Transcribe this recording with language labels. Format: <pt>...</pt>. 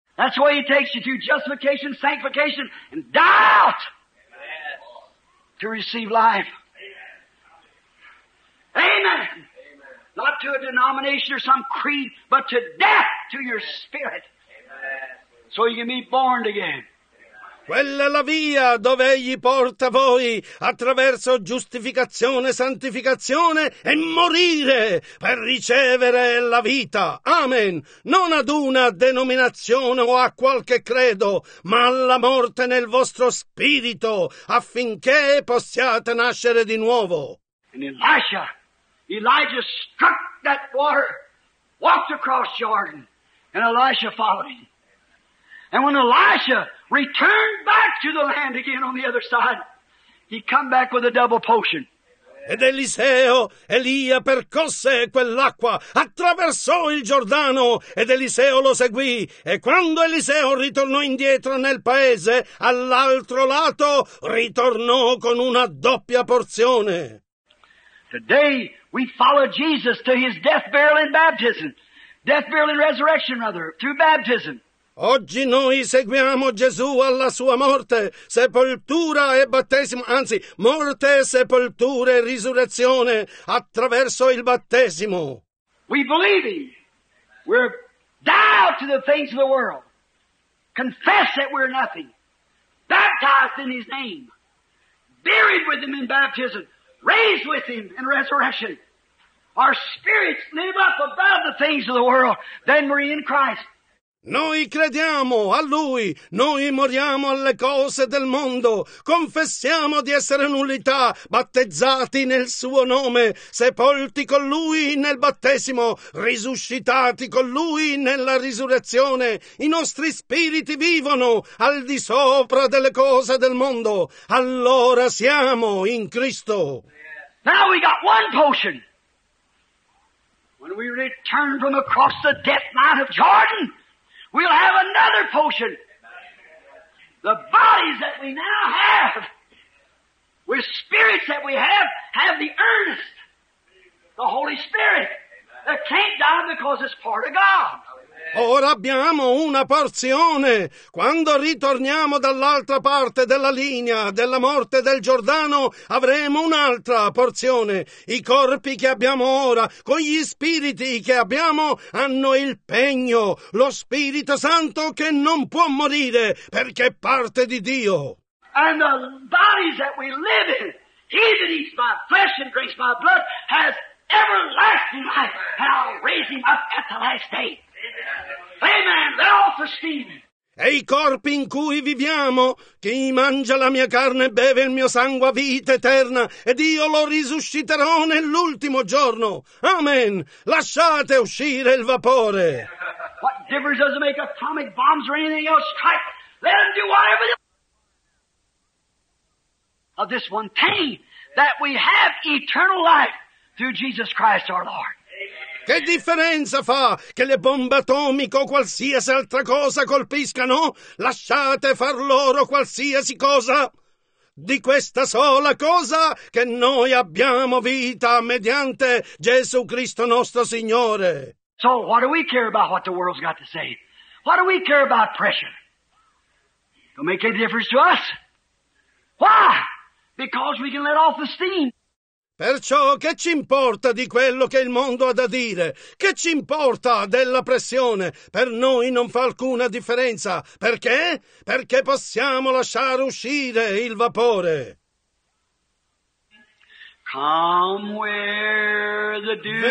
<en>That's where he takes you to justification, sanctification, and doubt. Amen. To receive life. Amen. Amen. Not to a denomination or some creed, but to death to your spirit. Amen. So you can be born again.</en> <it>Quella è la via dove egli porta voi attraverso giustificazione, santificazione e morire per ricevere la vita. Amen. Non ad una denominazione o a qualche credo, ma alla morte nel vostro spirito affinché possiate nascere di nuovo.</it> <en>And Elisha. Elijah struck that water, walked across Jordan, and Elisha followed him. And when Elisha returned back to the land again on the other side, he come back with a double potion. Amen.</en> <it>Ed Eliseo, Elia percosse quell'acqua, attraversò il Giordano, ed Eliseo lo seguì, e quando Eliseo ritornò indietro nel paese, all'altro lato, ritornò con una doppia porzione.</it> <en>Today we follow Jesus to his death, burial and baptism. Death, burial and resurrection, rather, through baptism.</en> <it>Oggi noi seguiamo Gesù alla sua morte, sepoltura e battesimo, anzi, morte, sepoltura e risurrezione attraverso il battesimo.</it> <en>We believe him. We're dialed to the things of the world. Confess that we're nothing. Baptized in his name. Buried with him in baptism. Raised with him in resurrection. Our spirits live up above the things of the world. Then we're in Christ.</en> <it>Noi crediamo a Lui, noi moriamo alle cose del mondo, confessiamo di essere nullità, battezzati nel Suo nome, sepolti con Lui nel battesimo, risuscitati con Lui nella risurrezione. I nostri spiriti vivono al di sopra delle cose del mondo. Allora siamo in Cristo.</it> <en>Now we got one potion. When we return from across the death night of Jordan, we'll have another potion. The bodies that we now have, with spirits that we have the earnest, the Holy Spirit, that can't die because it's part of God.</en> <it>Ora abbiamo una porzione. Quando ritorniamo dall'altra parte della linea della morte del Giordano, avremo un'altra porzione. I corpi che abbiamo ora, con gli spiriti che abbiamo, hanno il pegno, lo Spirito Santo che non può morire, perché è parte di Dio.</it> <en>And the bodies that we live in, he that eats my flesh and drinks my blood, has everlasting life, and I'll raise him up at the last day. Amen.</en> <it>E i corpi in cui viviamo, chi mangia la mia carne e beve il mio sangue a vita eterna, ed io lo risusciterò nell'ultimo giorno. Amen. Lasciate uscire il vapore.</it> <en>What difference does it make atomic bombs or anything else strike? Let them do whatever they... of this one thing, that we have eternal life through Jesus Christ our Lord.</en> <it>Che differenza fa che le bombe atomiche o qualsiasi altra cosa colpiscano? Lasciate far loro qualsiasi cosa. Di questa sola cosa che noi abbiamo vita mediante Gesù Cristo nostro Signore.</it> <en>So what do we care about what the world's got to say? What do we care about pressure? Don't make any difference to us. Why? Because we can let off the steam.</en> <it>Perciò che ci importa di quello che il mondo ha da dire? Che ci importa della pressione? Per noi non fa alcuna differenza. Perché? Perché possiamo lasciare uscire il vapore.</it> <en>Come where the dew drops,</en>